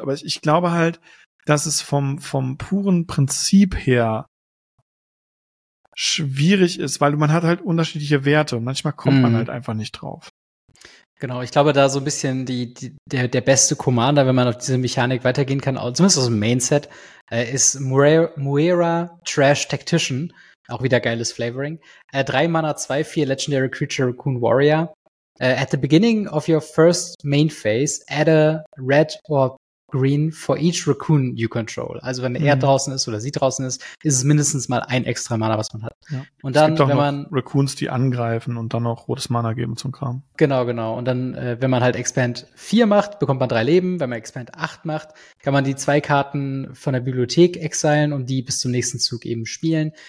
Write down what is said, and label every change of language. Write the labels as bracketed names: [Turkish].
[German] Aber ich glaube halt, dass es vom puren Prinzip her schwierig ist, weil man hat halt unterschiedliche Werte und manchmal kommt man halt einfach nicht drauf. Genau, ich glaube, da so ein bisschen der beste Commander, wenn man auf diese Mechanik weitergehen kann, zumindest aus dem Mainset, ist Moira Trash Tactician. Auch wieder geiles Flavoring. 3 Mana 2/4 Legendary Creature Raccoon Warrior. [English] At the beginning of your first main phase, add a red or green for each Raccoon you control. [German] Also wenn er draußen ist oder sie draußen ist, ist es mindestens mal ein extra Mana, was man hat. Ja. Und dann, es gibt auch Raccoons, die angreifen und dann auch rotes Mana geben zum Kram. Genau. Und dann, wenn man halt Expand 4 macht, bekommt man 3 Leben. Wenn man Expand 8 macht, kann man die 2 Karten von der Bibliothek exilen und die bis zum nächsten Zug eben spielen.